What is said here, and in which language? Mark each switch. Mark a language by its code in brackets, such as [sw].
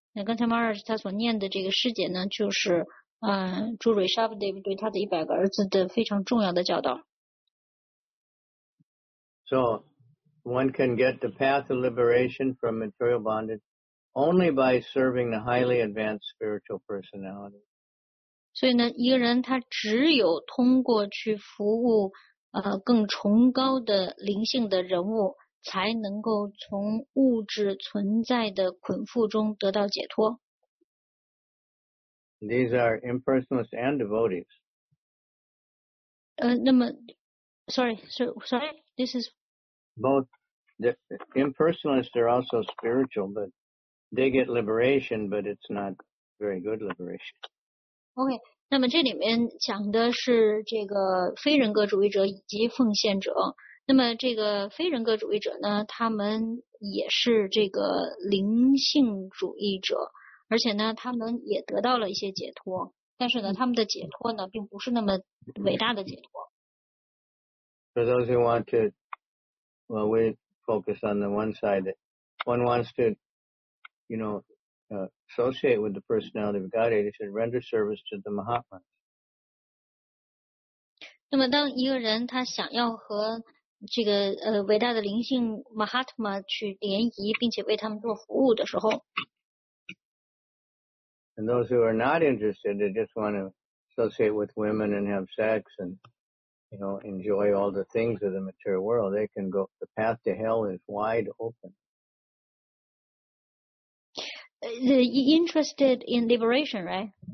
[zh] 那刚才马尔他所念的这个师姐呢，就是朱瑞沙布对他的一百个儿子的非常重要的教导。 [en] So one can get the path of liberation from material bondage only by serving the highly advanced spiritual personality. [zh] 所以呢，一个人他只有通过去服务更崇高的灵性的人物，才能够从物质存在的捆缚中得到解脱。 [en] These are impersonalists and devotees. [zh] 那么 [en] ，sorry, this is both. The impersonalists are also spiritual, but they get liberation, but it's not very good liberation. [zh] Okay, 那么这里面讲的是这个非人格主义者以及奉献者。那么这个非人格主义者呢，他们也是这个灵性主义者，而且呢，他们也得到了一些解脱，但是呢，他们的解脱呢，并不是那么伟大的解脱。 [en] For those who want to, well, we focus on the one side that one wants to, you know, associate with the personality of God, they should render service to the Mahatma. [zh] 那么当一个人他想要和这个伟大的灵性 Mahatma 去联谊，并且为他们做服务的时候。 [en] And those who are not interested, they just want to associate with women and have sex and, you know, enjoy all the things of the material world. They can go. The path to hell is wide open. The interested in liberation, right?